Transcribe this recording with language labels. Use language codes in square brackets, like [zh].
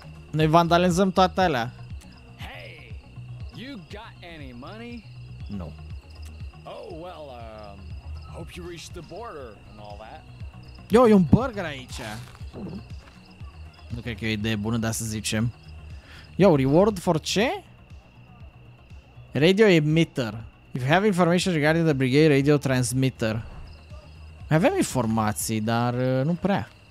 [ro] Noi vandalizăm toate alea. [en] Hey, you got any money? No. Oh, well, hope you reach the border and all that. [ro] Yo, e un burger aici. Nu cred că e o idee bună, dar să zicem. Yo, [en] reward for [ro] ce? [en] Radio emitter. If you have information regarding the brigade radio transmitter. [ro] Avem informații, dar nu prea.